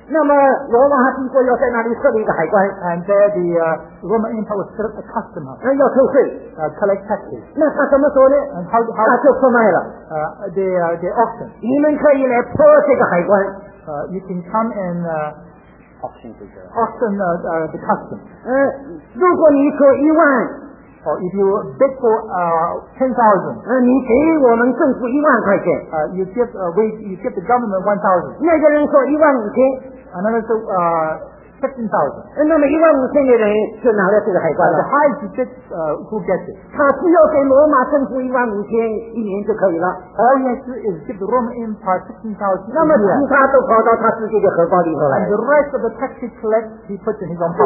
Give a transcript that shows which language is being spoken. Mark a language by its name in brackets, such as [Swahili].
[Chinese] 那么罗马帝国要在那里设立一个海关。 [English] And there the Roman Empire was set up a custom house. [Chinese] 要收税。 [English] Collect taxes. [Chinese] 那他怎么说呢？ [English] How [Chinese] 他就出卖了。 [English] The auction. [Chinese] 你们可以来破这个海关。 [English] You can come and auction the custom. [Chinese] 如果你说一万 [English] or if you bid for 10,000, [Chinese] 你给我们政府一万块钱 [English] you give the government 1,000. [Chinese] 那个人说一万五千 [English] another said 15,000. [Chinese] 那么一万五千的人就拿了这个海关了。 [English] The highest bid, who gets it? [Chinese] 他只要给罗马政府一万五千一年就可以了。 [English] All he has to do is give the Roman Empire 15,000. [Chinese] 那么其他都跑到他自己的荷包里头来。 [English] And the rest of the tax he collects, he puts in his own pocket.